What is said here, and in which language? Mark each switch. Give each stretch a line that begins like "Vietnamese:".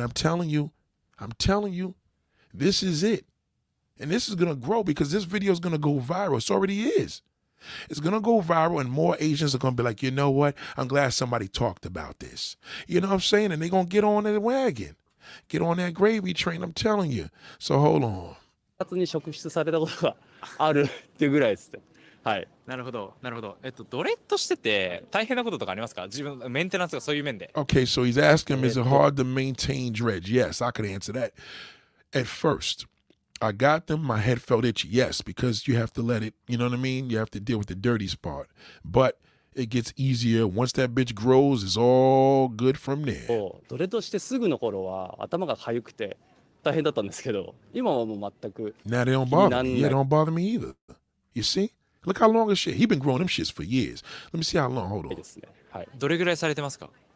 English: I'm telling you, this is it. And this is gonna grow because this video is gonna go viral. It already is. It's going to go viral and more Asians are going to be like, you know what? I'm glad somebody talked about this. You know what I'm saying? And they're going to get on that wagon, get on that gravy train. I'm telling you. So hold on.
Japanese: 夏に職質されたことがあるっていうぐらいですね。はい。なるほど。なるほど。ドレッドしてて大変なこととかありますか？自分メンテナンスがそういう面で。
English: Okay, so he's asking him, is it hard to maintain dreads? Yes, I could answer that. At first. I got them, my head felt itchy. Yes, because you have to let it, you know what I mean? You have to deal with the dirty part. But it gets easier. Once that bitch grows, it's all good from there.
Japanese: そう、ドレッドしてすぐの頃は頭が痒くて大変だったんですけど、今はもう全く気にならない。
English: Now they don't bother me. Yeah, they don't bother me either. You see? Look how long this shit. He been growing them shits for years. Let me see how long. Hold on.
Japanese: ですね。はい。どれぐらいされてますか？